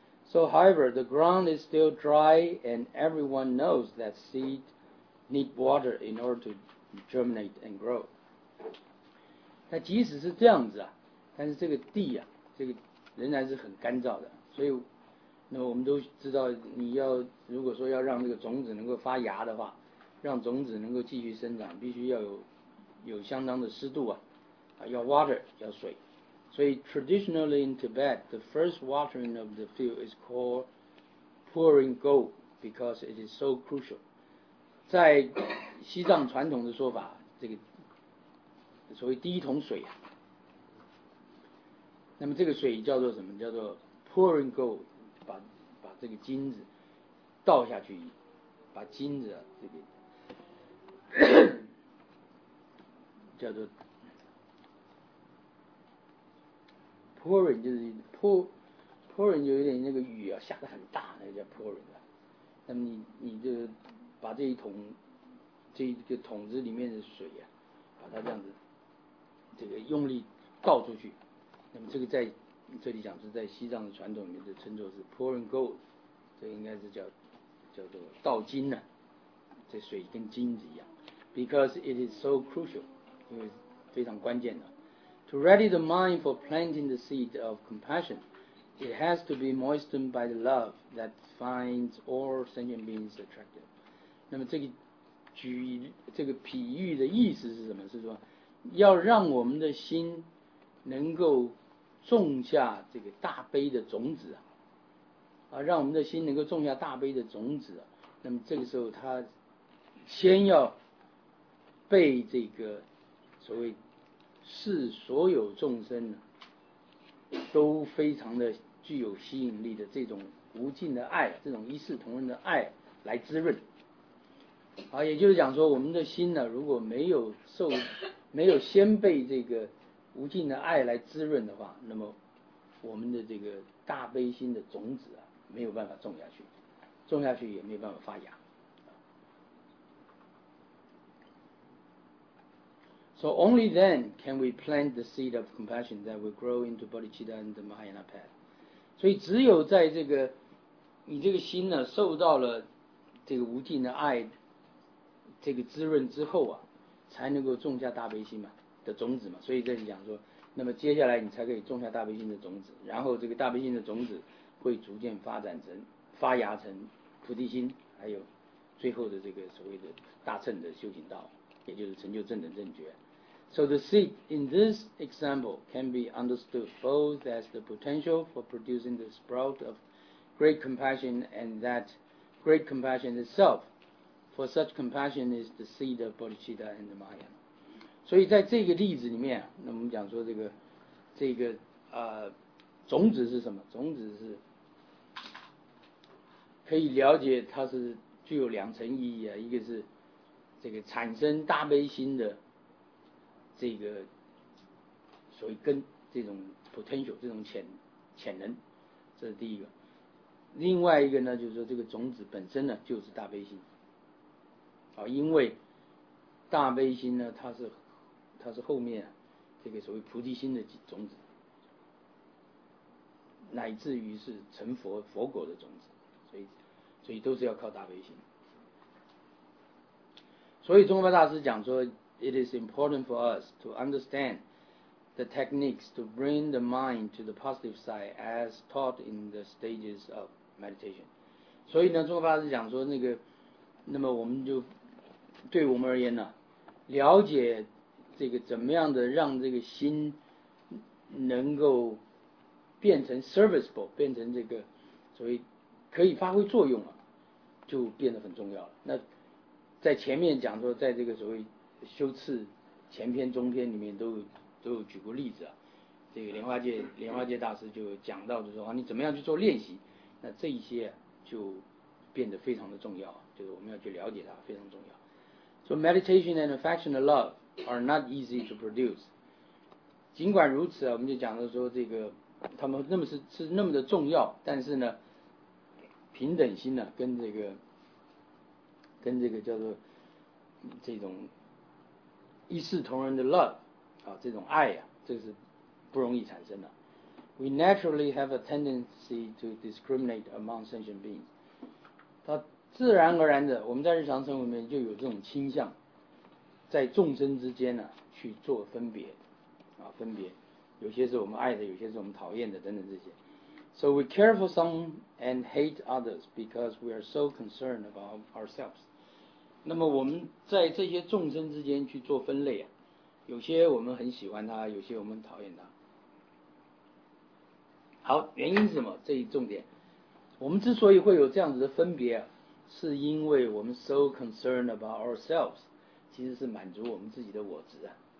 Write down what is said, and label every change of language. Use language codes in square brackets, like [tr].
[en] So however, the ground is still dry and everyone knows that seed need water in order to germinate and grow. [zh] 那即使是这样子啊，但是这个地啊，这个仍然是很干燥的。所以那我们都知道，你要如果说要让这个种子能够发芽的话，让种子能够继续生长，必须要有相当的湿度啊，要 water, 要水。所以 [en] traditionally in Tibet, the first watering of the field is called pouring gold because it is so crucial. [zh] 在西藏传统的说法，这个所谓第一桶水啊，那么这个水叫做什么？叫做 [en] pouring gold, [zh] 把这个金子倒下去，把金子啊这个叫做。 Pouring 就是 pouring 就有点那个雨啊下得很大，那个叫 pouring、啊、那么你就把这一桶这一个桶子里面的水啊，把它这样子这个用力倒出去，那么这个在这里讲是在西藏的传统里面就称作是 [en] pouring gold， [zh] 这应该是叫做倒金呢、啊，这水跟金子一样 ， [en] because it is so crucial， [zh] 因为非常关键的。 [en] To ready the mind for planting the seed of compassion, it has to be moistened by the love that finds all sentient beings attractive. [zh] 那么这个比喻的意思是什么？是说要让我们的心能够种下这个大悲的种子啊，让我们的心能够种下大悲的种子啊。那么这个时候，它先要被这个所谓。是所有众生都非常的具有吸引力的这种无尽的爱，这种一视同仁的爱来滋润。啊，也就是讲说，我们的心呢，如果没有先被这个无尽的爱来滋润的话，那么我们的这个大悲心的种子啊，没有办法种下去，种下去也没有办法发芽。 [en] So only then can we plant the seed of compassion that will grow into bodhicitta and the Mahayana path. [zh] 所以只有在这个你这个心呢受到了这个无尽的爱这个滋润之后啊，才能够种下大悲心嘛的种子嘛。所以这里讲说，那么接下来你才可以种下大悲心的种子，然后这个大悲心的种子会逐渐发展成发芽成菩提心，还有最后的这个所谓的大乘的修行道，也就是成就正等正觉。 [en] So the seed in this example can be understood both as the potential for producing the sprout of great compassion and that great compassion itself, for such compassion is the seed of bodhicitta and the mahayana. [zh] 所以在这个例子里面，那我们讲说这个种子是什么？种子是可以了解它是具有两层意义啊，一个是这个产生大悲心的这个所谓根，这种 potential 这种潜能，这是第一个。另外一个呢，就是说这个种子本身呢就是大悲心啊，因为大悲心呢它是后面、啊、这个所谓菩提心的种子，乃至于是成佛果的种子，所以都是要靠大悲心。所以中国大师讲说 [en] It is important for us to understand the techniques to bring the mind to the positive side as taught in the stages of meditation. [zh] 所以呢，中国大师讲说那个，那么我们就对我们而言呢，了解这个怎么样的让这个心能够变成 serviceable， 变成这个所谓可以发挥作用啊，就变得很重要了。那在前面讲说，在这个所谓修次前篇中篇里面都有举过例子啊，这个莲花界大师就讲到，就是说你怎么样去做练习，那这一些就变得非常的重要，就是我们要去了解它非常重要。 [en] So meditation and affectionate love are not easy to produce. [zh] 尽管如此啊，我们就讲到说这个他们那么是那么的重要，但是呢，平等心呢、啊、跟这个叫做这种一视同仁的 love 啊，这种爱啊，这是不容易产生的。 [en] We naturally have a tendency to discriminate among sentient beings. [zh] 它自然而然的，我们在日常生活里面就有这种倾向，在众生之间呢、啊、去做分别啊，分别，有些是我们爱的，有些是我们讨厌的，等等这些。 [en] So we care for some and hate others because we are so concerned about ourselves. [zh] 那么我们在这些众生之间去做分类啊，有些我们很喜欢他，有些我们讨厌他。好，原因是什么？这一重点，我们之所以会有这样子的分别啊，是因为我们 [en] so concerned about ourselves， [zh] 其实是满足我们自己的我执啊。